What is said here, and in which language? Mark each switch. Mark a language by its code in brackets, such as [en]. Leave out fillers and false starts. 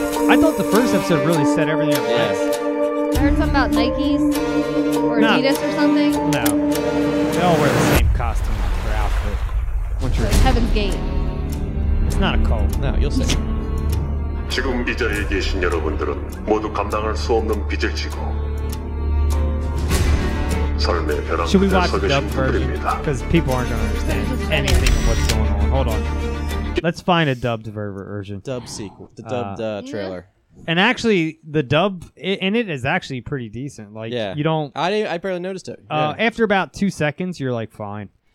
[en] I thought the first episode really set everything up. Yes. I heard something about Nikes or Adidas or something. No. They all wear the same costume or outfit. What's your name? Heaven's Gate. It's not a cult. No, you'll see. [ko] 지금 이 자리에 계신 여러분들은 모두 감당할 수 없는 빚을 지고 삶의 벼랑을 서 계신 분들입니다. [en] Because people aren't going to understand anything of what's going on. Hold on. Let's find a dubbed version. Dub sequel. The dubbed trailer. And actually, the dub in it is actually pretty decent. Like, yeah. You don't... I barely noticed it. Yeah. After about 2 seconds, you're like, fine.